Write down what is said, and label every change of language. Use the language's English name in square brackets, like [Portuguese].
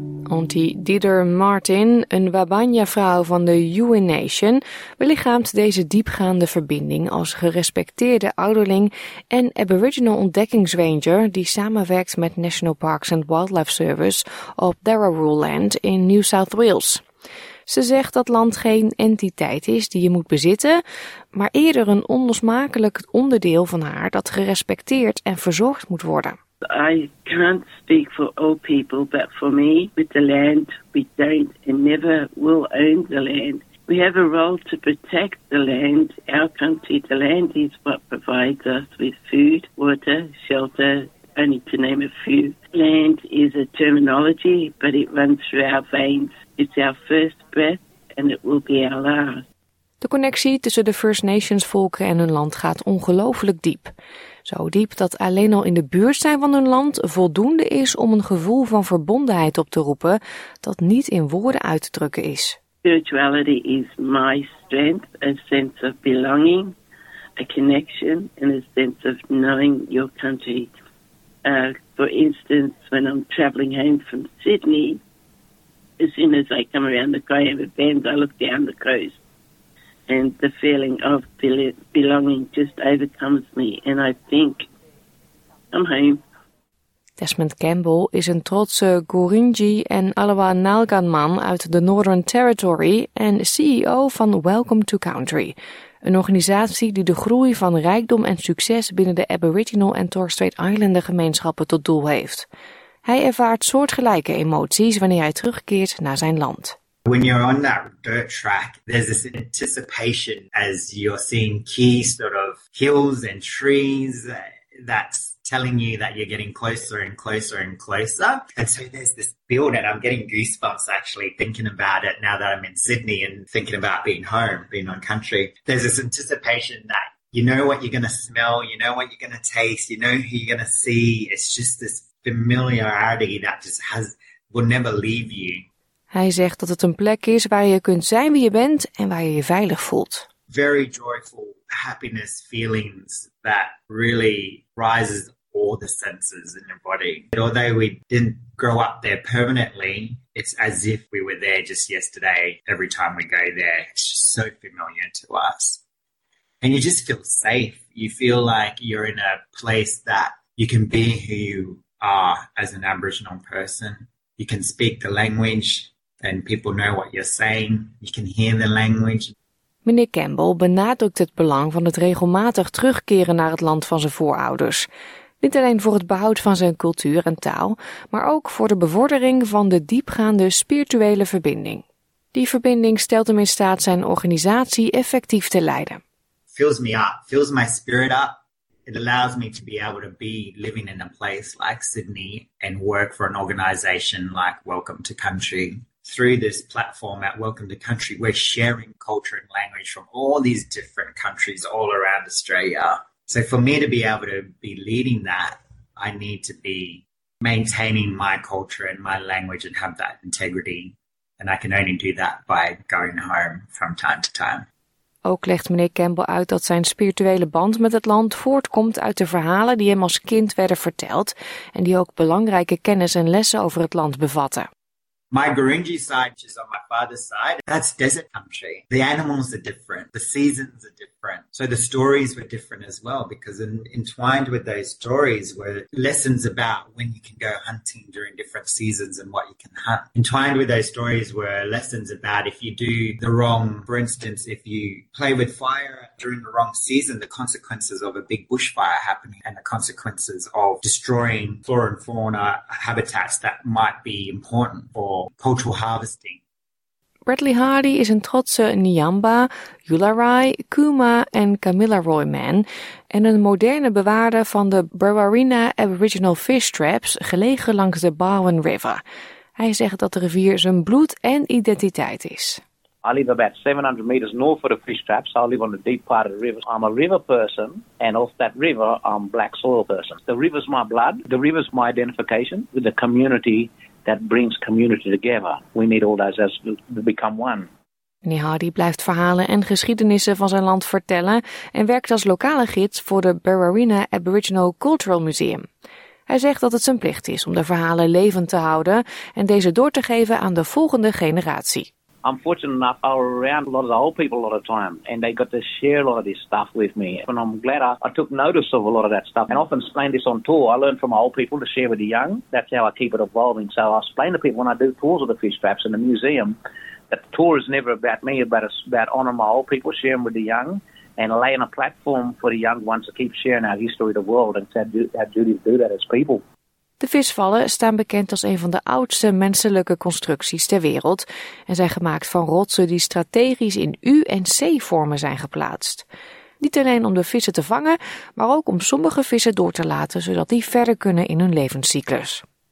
[Dutch] Auntie Didder Martin, een Wabanya-vrouw van de Yuin Nation, belichaamt deze diepgaande verbinding als gerespecteerde ouderling en Aboriginal ontdekkingsranger die samenwerkt met National Parks and Wildlife Service op Dharawal Land in New South Wales. Ze zegt dat land geen entiteit is die je moet bezitten, maar eerder een onlosmakelijk onderdeel van haar dat gerespecteerd en verzorgd moet worden. [English] I can't speak for all people, but for me, with the land, we don't and never will own the land. We have a role to protect the land, our country. The land is what provides us with food, water, shelter, only to name a few. Land is a terminology, but it runs through our veins. It's our first breath and it will be our last. [Dutch] De connectie tussen de First Nations volken en hun land gaat ongelooflijk diep. Zo diep dat alleen al in de buurt zijn van hun land voldoende is om een gevoel van verbondenheid op te roepen dat niet in woorden uit te drukken is. [English] Spirituality is my strength, a sense of belonging, a connection and a sense of knowing your country. For instance, when I'm traveling home from Sydney, as soon as I come around the Kaiama Bend, I look down the coast. And the feeling of belonging just overcomes me. And I think, I'm home. [Dutch] Desmond Campbell is een trotse Gurindji en Alawa Nalgan man uit de Northern Territory en CEO van Welcome to Country. Een organisatie die de groei van rijkdom en succes binnen de Aboriginal en Torres Strait Islander gemeenschappen tot doel heeft. Hij ervaart soortgelijke emoties wanneer hij terugkeert naar zijn land. [English] When you're on that dirt track, there's this anticipation as you're seeing key sort of hills and trees that's telling you that you're getting closer and closer and closer. And so there's this build, and I'm getting goosebumps actually thinking about it now that I'm in Sydney and thinking about being home, being on country. There's this anticipation that you know what you're going to smell, you know what you're going to taste, you know who you're going to see. It's just this familiarity that just will never leave you. [Dutch] Hij zegt dat het een plek is waar je kunt zijn wie je bent en waar je je veilig voelt. [English] Very joyful happiness feelings that really rises all the senses in your body. And although we didn't grow up there permanently, it's as if we were there just yesterday. Every time we go there, it's just so familiar to us. And you just feel safe. You feel like you're in a place that you can be who you are as an Aboriginal person. You can speak the language and people know what you're saying. You can hear the language. [Dutch] Meneer Campbell benadrukt het belang van het regelmatig terugkeren naar het land van zijn voorouders. Niet alleen voor het behoud van zijn cultuur en taal, maar ook voor de bevordering van de diepgaande spirituele verbinding. Die verbinding stelt hem in staat zijn organisatie effectief te leiden. [English] Fills me up, fills my spirit up. It allows me to be able to be living in a place like Sydney and work for an organization like Welcome to Country. Through this platform at Welcome to Country, we're sharing culture and language from all these different countries all around Australia. So for me to be able to be leading that, I need to be maintaining my culture and my language and have that integrity. And I can only do that by going home from time to time. [Dutch] Ook legt meneer Campbell uit dat zijn spirituele band met het land voortkomt uit de verhalen die hem als kind werden verteld en die ook belangrijke kennis en lessen over het land bevatten. [English] My Gurindji side, which is on my father's side, that's desert country. The animals are different. The seasons are different. So the stories were different as well, because entwined with those stories were lessons about when you can go hunting during different seasons and what you can hunt. Entwined with those stories were lessons about if you do the wrong, for instance, if you play with fire during the wrong season, the consequences of a big bushfire happening and the consequences of destroying flora and fauna habitats that might be important for cultural harvesting. [Dutch] Bradley Hardy is een trotse Nyamba, Yularai, Kuma en Kamilaroi man en een moderne bewaarder van de Brewarrina Aboriginal Fish Traps gelegen langs de Barwon River. Hij zegt dat de rivier zijn bloed en identiteit is. [English] I live about 700 meters north of the fish traps. I live on the deep part of the river. I'm a river person, and off that river, I'm black soil person. The river's my blood. The river's my identification with the community that brings community together. We need all those as to become one. [Dutch] Meneer Hardy blijft verhalen en geschiedenissen van zijn land vertellen en werkt als lokale gids voor de Brewarrina Aboriginal Cultural Museum. Hij zegt dat het zijn plicht is om de verhalen levend te houden en deze door te geven aan de volgende generatie. [English] I'm fortunate enough, I'm around a lot of the old people a lot of time, and they got to share a lot of this stuff with me. And I'm glad I took notice of a lot of that stuff. And often explain this on tour. I learn from my old people to share with the young. That's how I keep it evolving. So I explain to people when I do tours of the fish traps in the museum that the tour is never about me, but it's about honouring my old people, sharing with the young, and laying a platform for the young ones to keep sharing our history of the world. And it's our duty to do that as people. [Dutch] De visvallen staan bekend als een van de oudste menselijke constructies ter wereld en zijn gemaakt van rotsen die strategisch in U- en C-vormen zijn geplaatst. Niet alleen om de vissen te vangen, maar ook om sommige vissen door te laten zodat die verder kunnen in hun levenscyclus.